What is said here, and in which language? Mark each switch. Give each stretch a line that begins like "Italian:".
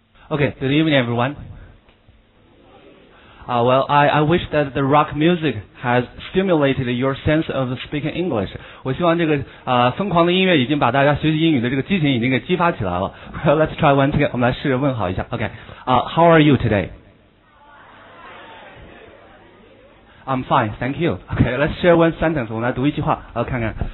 English: Okay, good evening, everyone. Well, I wish that the rock music has stimulated your sense of speaking English.
Chinese: 我希望这个疯狂的音乐已经把大家学习英语的这个激情已经给激发起来了。
English: Well, let's try once again.
Chinese: 我们来试着问好一下。
English: Okay, how are you today? I'm fine, thank you. Okay, let's share one sentence.
Chinese: 我们来读一句话，看看。